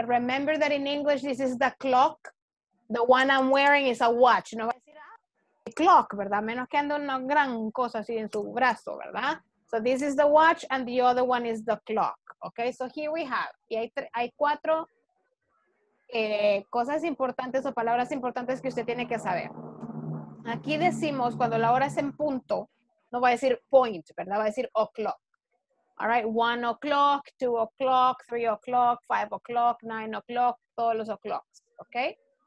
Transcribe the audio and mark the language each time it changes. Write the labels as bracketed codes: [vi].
[en] Remember that in English, this is the clock. The one I'm wearing is a watch. [es] No va a decir, ah, clock, ¿verdad? Menos que ande una gran cosa así en su brazo, ¿verdad? [en] So this is the watch and the other one is the clock. Okay, so here we have. [es] Y hay cuatro cosas importantes o palabras importantes que usted tiene que saber. Aquí decimos cuando la hora es en punto, no va a decir point, ¿verdad? Va a decir o'clock. [en] All right, 1 o'clock, 2 o'clock, 3 o'clock, 5 o'clock, 9 o'clock, [es] todos los [en] o'clocks, okay?